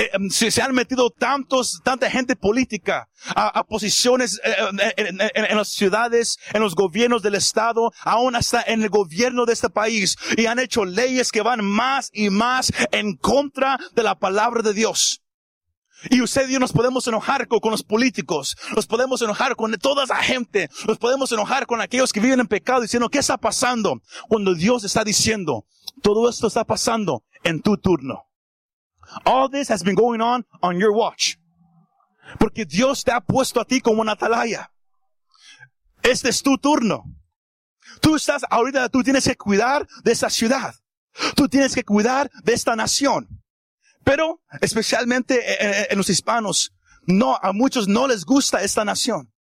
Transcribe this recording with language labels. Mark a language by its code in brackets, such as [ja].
[es] Se han metido tanta gente política a posiciones en las ciudades, en los gobiernos del estado, aún hasta en el gobierno de este país, y han hecho leyes que van más y más en contra de la palabra de Dios. Y usted y yo nos podemos enojar con los políticos, nos podemos enojar con toda esa gente, nos podemos enojar con aquellos que viven en pecado diciendo, ¿qué está pasando? Cuando Dios está diciendo, todo esto está pasando en tu turno. [en] All this has been going on your watch. [es] Porque Dios te ha puesto a ti como una atalaya. Este es tu turno. Tú estás ahorita, tú tienes que cuidar de esa ciudad. Tú tienes que cuidar de esta nación. Pero especialmente en los hispanos, no, a muchos no les gusta esta nación.